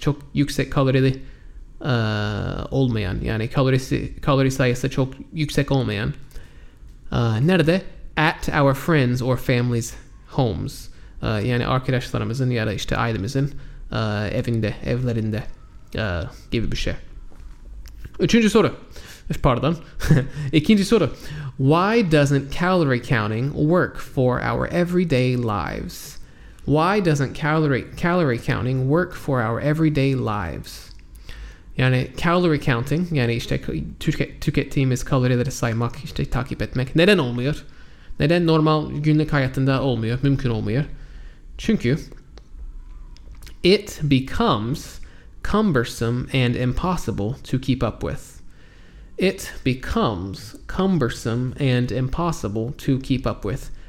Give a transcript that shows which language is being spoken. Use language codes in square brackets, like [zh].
[tr] Çok yüksek kalorili olmayan, yani kalori sayısı çok yüksek olmayan. Nerede? [en] At our friends or family's homes. [tr] Yani arkadaşlarımızın ya da işte ailemizin evlerinde gibi bir şey. Üçüncü soru. Pardon. İkinci soru. [en] Why doesn't calorie counting work for our everyday lives? Why doesn't calorie counting work for our everyday lives? [tr] Yani calorie counting, yani işte tükettiğimiz kalorileri saymak, işte takip etmek. Neden olmuyor? Neden normal günlük hayatında olmuyor, mümkün olmuyor? Çünkü [en] it becomes cumbersome and impossible to keep up with. It becomes cumbersome and impossible to keep up with.